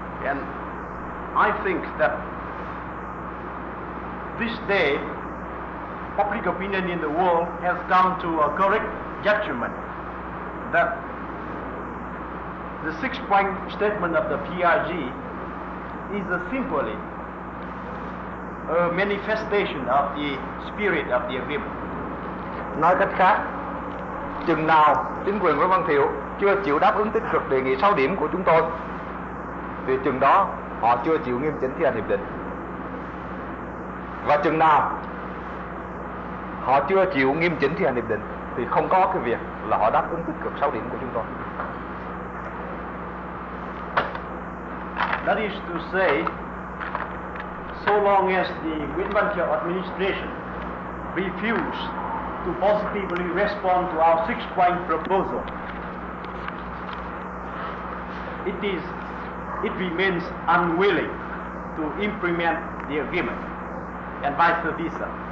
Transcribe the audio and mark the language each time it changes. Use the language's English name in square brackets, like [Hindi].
[English] And I think that this day, public opinion in the world has come to a correct judgment that the six-point statement of the PRG is a simply a manifestation of the spirit of the agreement. [Vietnamese] Nói cách khác, chừng nào chính quyền Nguyễn Văn Thiệu chưa chịu đáp ứng tích cực đề nghị 6 điểm của chúng tôi thì chừng đó họ chưa chịu nghiêm chỉnh thi hành hiệp định. Và chừng nào họ chưa chịu nghiêm chỉnh thi hành hiệp định thì không có cái việc là họ đáp ứng tích cực 6 điểm của chúng tôi. [English] That is to say, so long as the Nguyễn Văn Thiệu administration refused to positively respond to our six-point proposal, it remains unwilling to implement the agreement and vice versa.